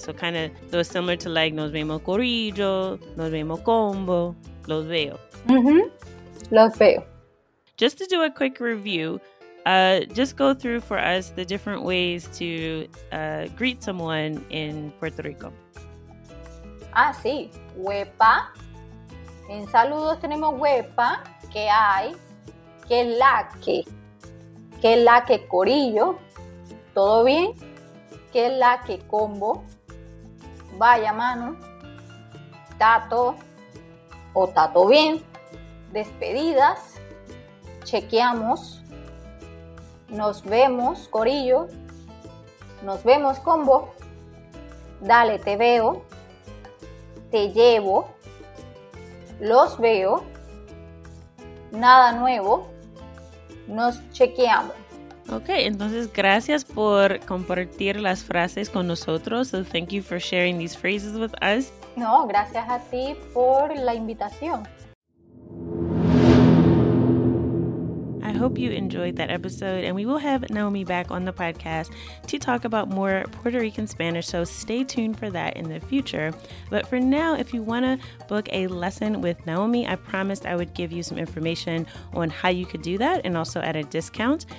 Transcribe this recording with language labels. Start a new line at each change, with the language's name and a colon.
English: So kind of so similar to like
Spanish: nos vemos corillo, nos vemos combo, los veo. Mm-hmm. Los veo.
English: Just to do a quick review. Just go through for us the different ways to greet someone in Puerto Rico.
Spanish: Ah, sí. Huepa. En saludos tenemos huepa, que hay, que la que. Que la que corillo. ¿Todo bien? Que la que combo. Vaya mano. Tato. O tato bien. Despedidas. Chequeamos. Nos vemos, corillo. Nos vemos, combo. Dale, te veo. Te llevo. Los veo. Nada nuevo. Nos chequeamos. Ok, entonces gracias por compartir las frases con nosotros.
English: So thank you for sharing these phrases with us.
Spanish: No, gracias a ti por la invitación.
English: I hope you enjoyed that episode, and we will have Naomi back on the podcast to talk about more Puerto Rican Spanish, so stay tuned for that in the future. But for now, if you want to book a lesson with Naomi, I promised I would give you some information on how you could do that and also at a discount.